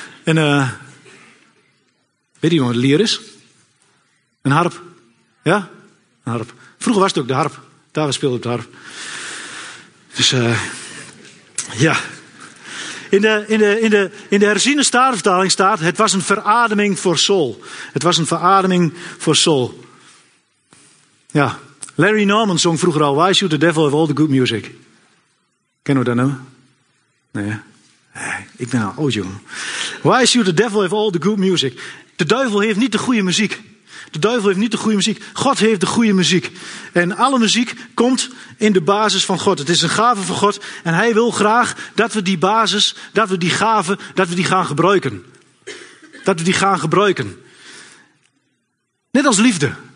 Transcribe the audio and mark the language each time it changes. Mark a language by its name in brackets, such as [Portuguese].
[Dutch] En weet je wat een lier is? Een harp. Ja? Een harp. Vroeger was het ook de harp. David speelde op de harp. Dus ja. In de herziene Statenvertaling staat: het was een verademing voor Saul. Het was een verademing voor Saul. Ja. Larry Norman zong vroeger al: [English] Why should the devil have all the good music? [Dutch] Kennen we dat nou? Nee. Ik ben al oud, jongen. [English] Why should the devil have all the good music? [Dutch] De duivel heeft niet de goede muziek. De duivel heeft niet de goede muziek. God heeft de goede muziek. En alle muziek komt in de basis van God. Het is een gave van God. En hij wil graag dat we die basis, dat we die gave, dat we die gaan gebruiken. Dat we die gaan gebruiken. Net als liefde.